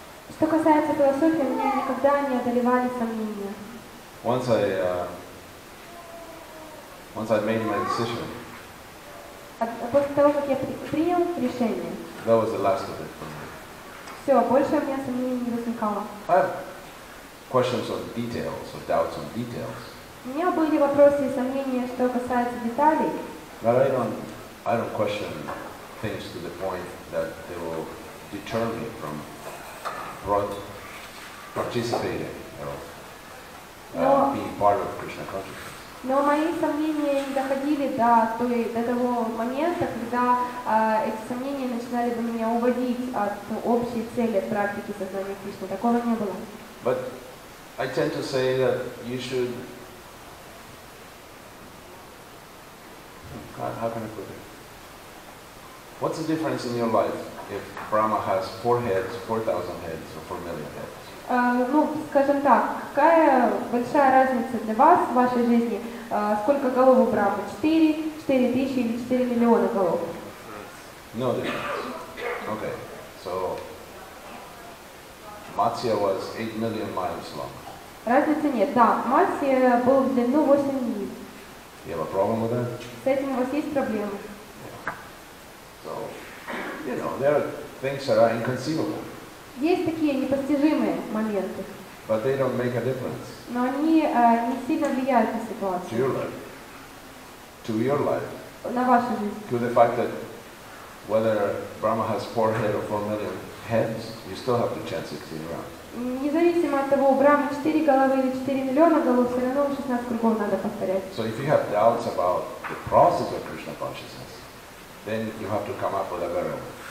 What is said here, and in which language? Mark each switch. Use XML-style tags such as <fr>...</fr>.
<ru>Что касается философии, мне никогда не одолевали сомнения.</ru> <en>Once I made my decision.</en> <ru>После того, как я принял решение.</ru> <en>That was the last of it for me.</en> <ru>Все, больше у меня сомнений не возникало.</ru> <en>I have questions of details, of doubts on details.</en> <ru>У меня были вопросы и сомнения, что касается деталей.</ru> <en>But I don't question things to the point that they will deter me from participating or being part of Krishna consciousness.</en> <ru>Но мои сомнения не доходили до того момента, когда эти сомнения начинали бы меня уводить от общей цели практики сознания Кришны. Такого не было.</ru> <en>But I tend to say that you should... God, how can I put it? What's the difference in your life if Brahma has four heads, 4,000 heads, or 4,000,000 heads?</en> <ru>Ну, скажем так, какая большая разница для вас в вашей жизни? Сколько голов у Брахмы? 4, 4 тысячи или 4 миллиона голов?</ru> <en>No difference. Okay. So Matsya was 8 million miles long.</en> <ru>Разницы нет. Да, Матсья был в длину 8 миль.</ru> <en>You have a problem with that?</en> <ru>С этим у вас есть проблемы?</ru> <en>So, you know, there are things that are inconceivable.</en> <ru>Есть такие непостижимые моменты.</ru> <en>But they don't make a difference.</en> <ru>Но они не сильно влияют на ситуацию.</ru> <en>To your life. To your life.</en> <ru>На вашу жизнь.</ru> <en>To the fact that whether Brahma has 4 heads or 4,000,000 heads, you still have to chant 16 rounds.</en> <ru>Независимо от того, у Брахмы 4 головы или 4 миллиона голов, все равно 16 кругов надо повторять.</ru> <en>So if you have doubts about the process of Krishna consciousness, then you have to come up with a better one.</en>